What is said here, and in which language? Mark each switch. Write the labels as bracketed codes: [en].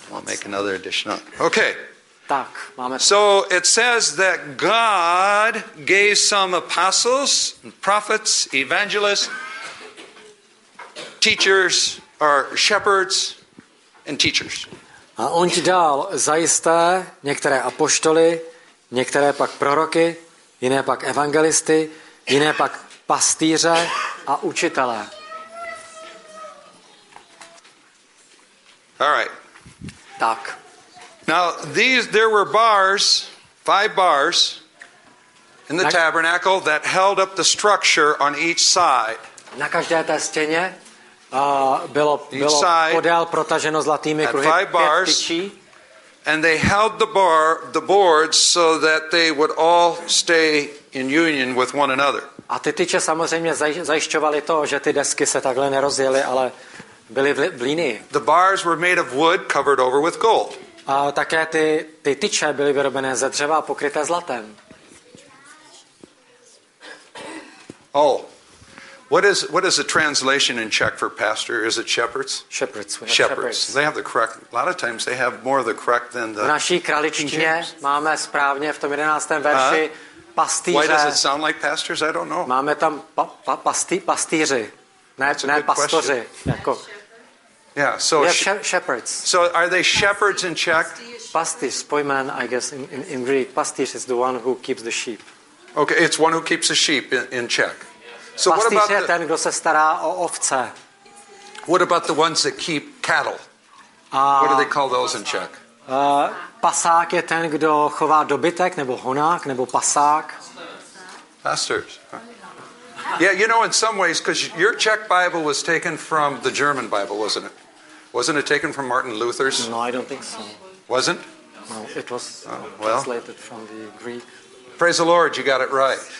[en] I'll we'll make another addition. Okay. [cs] Tak, máme. [en] So it says that God gave some apostles, prophets, evangelists, teachers, or shepherds, and teachers. [cs] A on ti dal zajisté některé apoštoly, některé pak proroky, jiné pak evangelisty, jiné pak pastýře a učitelé. [en] All right. [cs] Tak. [en] Now there were bars, five bars in the tabernacle that held up the structure on each side. [cs] Na každé té stěně bylo podél protaženo zlatými kruhy. [en] Five bars. And they held the boards so that they would all stay in union with one another. [cs] A ty tyče samozřejmě zajišťovaly to, že ty desky se takhle nerozjely, ale byly v línii. [en] The bars were made of wood covered over with gold. [cs] A také ty tyče byly vyrobené ze dřeva a pokryté zlatem. Oh. [en] What is the translation in Czech for pastor? Is it shepherds? Shepherds. We have shepherds. Shepherds. They have the correct. A lot of times they have more of the correct than the. [cs] V naší králičtině máme správně v tom 11. verši pastýře. [en] Why does it sound like pastors? I don't know. [cs] Máme tam pastýři. Ne pastoři. Jako. [en] Yeah. So shepherds. So are they shepherds in Czech? Pastýř, pojmen, I guess in Greek, pastýř is the one who keeps the sheep. Okay, it's one who keeps the sheep in Czech. [cs] So pastýř [en] what about [cs] je ten, kdo se stará o ovce. [en] What about the ones that keep cattle? What do they call those in Czech? [cs] Pasák je ten, kdo chová dobytek, nebo honák, nebo pasák. [en] Pastors. Yeah, you know, in some ways, because your Czech Bible was taken from the German Bible, wasn't it? Wasn't it taken from Martin Luther's? No, I don't think so. Wasn't? No, it was translated from the Greek. Praise the Lord, you got it right.